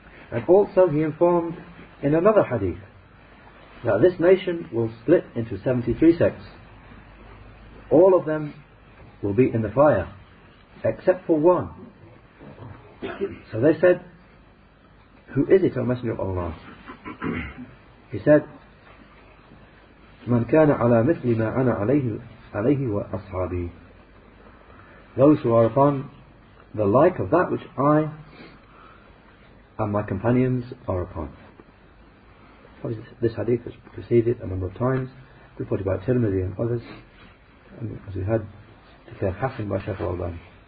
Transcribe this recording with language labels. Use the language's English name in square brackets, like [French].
[English] And also he informed in another hadith that this nation will split into 73 sects. All of them will be in the fire, except for one. So they said, who is it, O Messenger of Allah? He said, [Arabic] من كان على مثل ما أنا عليه وأصحابي. [English] Those who are upon the like of that which I and my companions are upon. This hadith has preceded a number of times, reported by Tirmidhi and others, and as we had declared Hassan by Shaykh al-Albani.